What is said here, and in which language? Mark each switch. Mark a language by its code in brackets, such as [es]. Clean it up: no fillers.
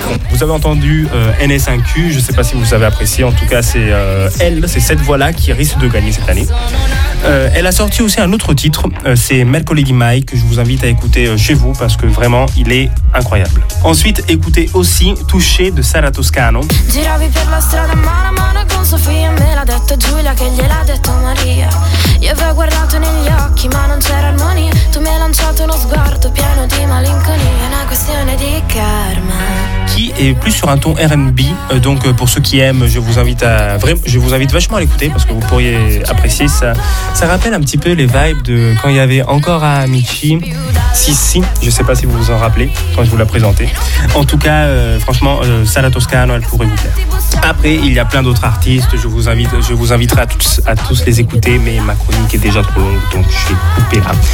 [fr] Vous avez entendu NS1Q, je ne sais pas si vous avez apprécié, en tout cas c'est elle, c'est cette voix-là qui risque de gagner cette année. Elle a sorti aussi un autre titre, c'est Mercoledì Mai, que je vous invite à écouter chez vous parce que vraiment il est incroyable. Ensuite, écoutez aussi Touché de Sara Toscano. [it] Giravi per la strada mano a mano con Sofia, me l'ha detto Giulia che gliel'ha detto Maria. Io avevo guardato negli occhi ma non c'era armonia, tu mi hai lanciato uno sguardo pieno di malinconia, una questione di karma. [fr] Qui est plus sur un ton R&B, donc pour ceux qui aiment, je vous invite vachement à l'écouter parce que vous pourriez apprécier ça. Ça rappelle un petit peu les vibes de quand il y avait encore Amici, Sissi, je sais pas si vous vous en rappelez quand je vous la présentais. En tout cas, franchement, Sara Toscano, elle pourrait vous plaire. Après, il y a plein d'autres artistes, je vous inviterai à tous les écouter, mais ma chronique est déjà trop longue, donc je vais couper là.